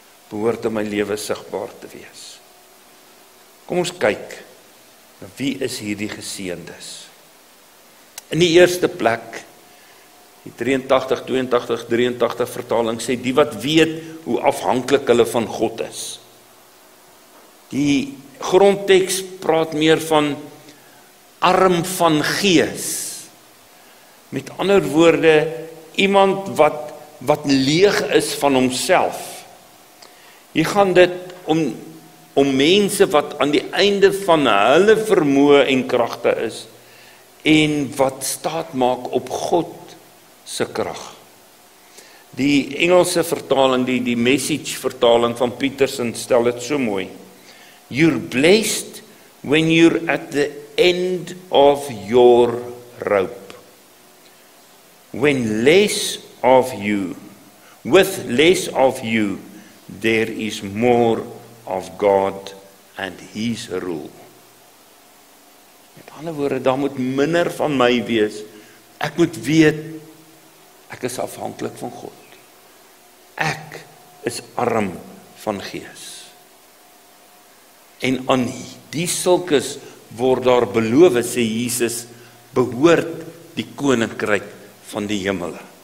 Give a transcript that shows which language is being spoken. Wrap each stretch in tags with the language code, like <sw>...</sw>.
<af>behoort in my lewe sigbaar te wees. Kom ons kyk, wie is hierdie geseëndes? In die eerste plek, die 83, 82, 83 vertaling sê, die wat weet hoe afhanklik hulle van God is. Die grondtekst praat meer van arm van gees. Met ander woorde, iemand wat leeg is van homself. Jy gaan dit om mense wat aan die einde van hulle vermoë en kragte is, en wat staat maak op God se krag. Die Engelse vertaling, die message vertaling van Peterson, stel dit so mooi.</af> <en>You're blessed when you're at the end of your rope. When less of you, with less of you, there is more of God and His rule.</en> <af>Met ander woorde, daar moet minder van my wees. Ek moet weet, ek is afhanklik van God. Ek is arm van gees. En aan die sulkes word daar beloof, sê Jesus, behoort die koninkryk van die hemele.</af>